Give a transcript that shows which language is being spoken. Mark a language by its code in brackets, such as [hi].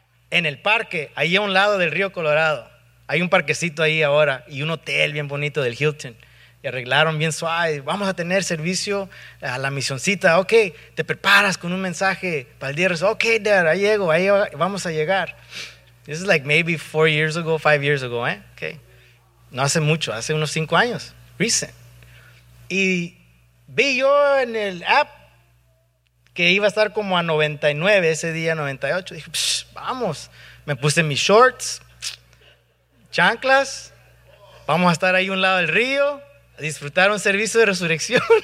[es] En el parque, ahí a un lado del río Colorado. Hay un parquecito ahí ahora y un hotel bien bonito del Hilton. Y arreglaron bien suave. Vamos a tener servicio a la misioncita. Okay, te preparas con un mensaje para el día de resurrección. Okay, dad, ahí llego, ahí vamos a llegar. [en] This is like maybe 4 years ago, 5 years ago, eh? [es] Okay. No hace mucho, hace unos 5 años. Recent. Y vi yo en el app que iba a estar como a 99 ese día, 98. Dije, psh, vamos. Me puse mis shorts, chanclas. Vamos a estar ahí un lado del río a disfrutar un servicio de resurrección.